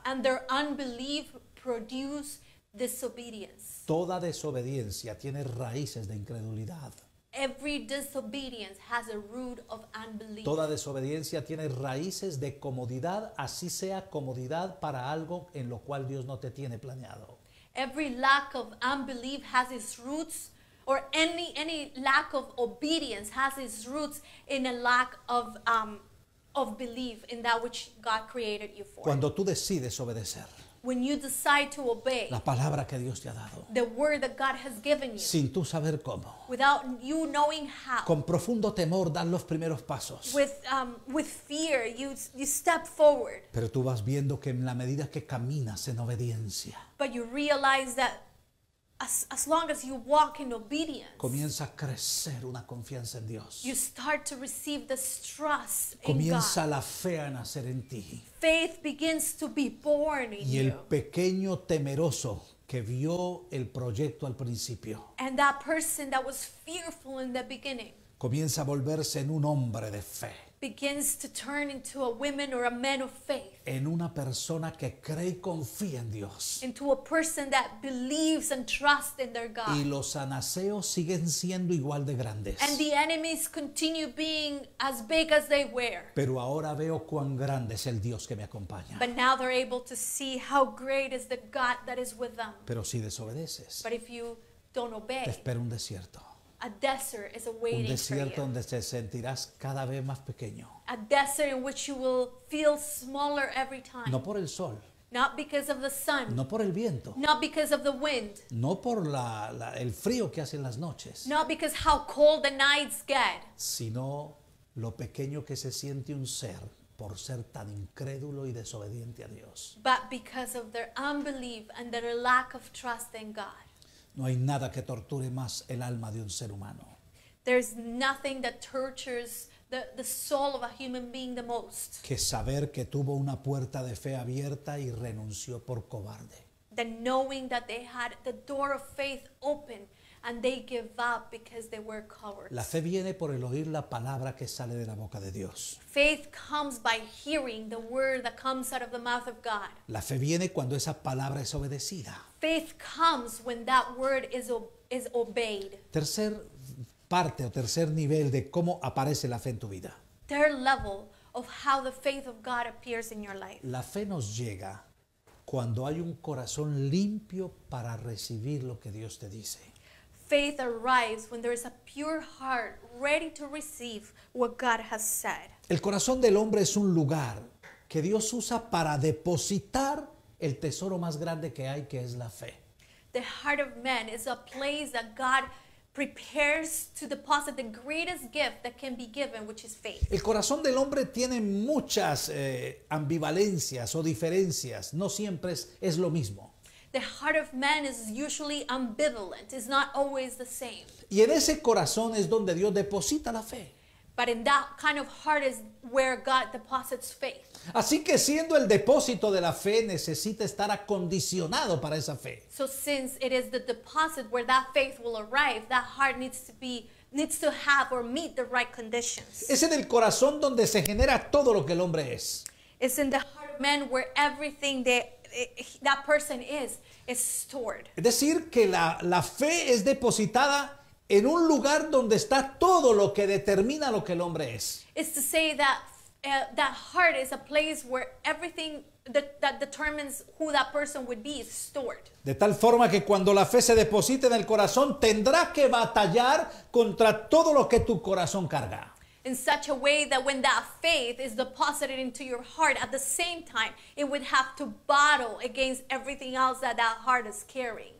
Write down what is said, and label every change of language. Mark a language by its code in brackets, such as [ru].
[en] And their unbelief produced disobedience. [es] Toda desobediencia tiene raíces de incredulidad. [en] Every disobedience has a root of unbelief. [es] Toda desobediencia tiene raíces de comodidad, así sea comodidad para algo en lo cual Dios no te tiene planeado. [en] Every lack of unbelief has its roots, or any lack of obedience has its roots in a lack of belief in that which God created you for. [es] Cuando tú decides obedecer, [en] when you decide to obey, [es] la palabra que Dios te ha dado, [en] the word that God has given you, [es] sin tú saber cómo, [en] without you knowing how, [es] con profundo temor dan los primeros pasos, [en] with fear you step forward, [es] pero tú vas viendo que en la medida que caminas en obediencia, [en] but you realize that as long as you walk in obedience, [es] comienza a crecer una confianza en Dios. [en] You start to receive this trust in God. [es] Comienza la fe a nacer en ti. [en] Faith begins to be born in you. [es] Y el pequeño temeroso que vio el proyecto al principio. [en] And that person that was fearful in the beginning. [es] Comienza a volverse en un hombre de fe. [en] Begins to turn into a woman or a man of faith. [es] En una persona que cree y confía en Dios. [en] Into a person that believes and trusts in their God. [es] Y los anaseos siguen siendo igual de grandes. [en] And the enemies continue being as big as they were. [es] Pero ahora veo cuán grande es el Dios que me acompaña. [en] But now they're able to see how great is the God that is with them. [es] Pero si desobedeces. [en] But if you don't obey. [es] Te espera un desierto. [en] A desert is awaiting [es] un desierto donde te sentirás cada vez más pequeño. [en] A desert in which you will feel smaller every time. [es] No por el sol. [en] Not because of the sun. [es] No por el viento. [en] Not because of the wind. [es] No por el frío que hacen las noches. [en] Not because how cold the nights get. [es] Sino lo pequeño que se siente un ser por ser tan incrédulo y desobediente a Dios. [en] But because of their unbelief and their lack of trust in God. [es] No hay nada que torture más el alma de un ser humano. [en] There's nothing that tortures the soul of a human being the most. [es] Que saber que tuvo una puerta de fe abierta y renunció por cobarde. [en] The knowing that they had the door of faith open and they give up because they were cowards. [es] La fe viene por el oír la palabra que sale de la boca de Dios. [en] Faith comes by hearing the word that comes out of the mouth of God. [es] La fe viene cuando esa palabra es obedecida. [en] Faith comes when that word is obeyed. [es] Tercer parte o tercer nivel de cómo aparece la fe en tu vida. [en] Third level of how the faith of God appears in your life. [es] La fe nos llega cuando hay un corazón limpio para recibir lo que Dios te dice. [en] Faith arrives when there is a pure heart ready to receive what God has said. [es] El corazón del hombre es un lugar que Dios usa para depositar el tesoro más grande que hay, que es la fe. [en] The heart of man is a place that God prepares to deposit the greatest gift that can be given, which is faith. [es] El corazón del hombre tiene muchas ambivalencias o diferencias. No siempre es lo mismo. [en] The heart of man is usually ambivalent. It's not always the same. [es] Y en ese corazón es donde Dios deposita la fe. [en] But in that kind of heart is where God deposits faith. [es] Así que siendo el depósito de la fe, necesita estar acondicionado para esa fe. [en] So since it is the deposit where that faith will arrive, that heart needs to have or meet the right conditions. [es] Es en el corazón donde se genera todo lo que el hombre es. [en] It's in the heart of man where everything that person is stored. [es] Es decir, que la fe es depositada en un lugar donde está todo lo que determina lo que el hombre es. [en] It's to say that heart is a place where everything that determines who that person would be is stored. [es] De tal forma que cuando la fe se deposita en el corazón, tendrá que batallar contra todo lo que tu corazón carga. [en] In such a way that when that faith is deposited into your heart, at the same time, it would have to battle against everything else that heart is carrying.